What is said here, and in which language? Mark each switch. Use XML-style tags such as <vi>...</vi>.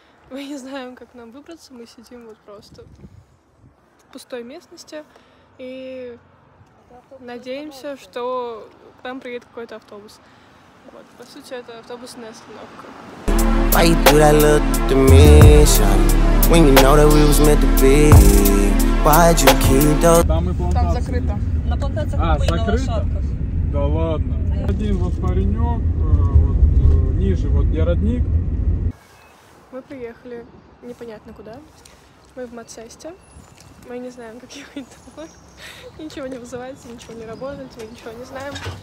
<ru>Мы не знаем, как нам выбраться. Мы сидим вот просто в пустой местности и надеемся, что там приедет какой-то автобус. Вот, по сути, это автобусная остановка.</ru> <en>Why you do that look to me, shawty? When you know that we was meant to be. Why'd you keep those...</en> <ru>Там и плантация. Там закрыто. На плантациях мы и на лошадках. Да ладно. Один вот паренек, вот ниже, вот я родник. Мы приехали непонятно куда. Мы в Мацесте. Мы не знаем, как ехать домой. Ничего не вызывается, ничего не работает, мы ничего не знаем.</ru>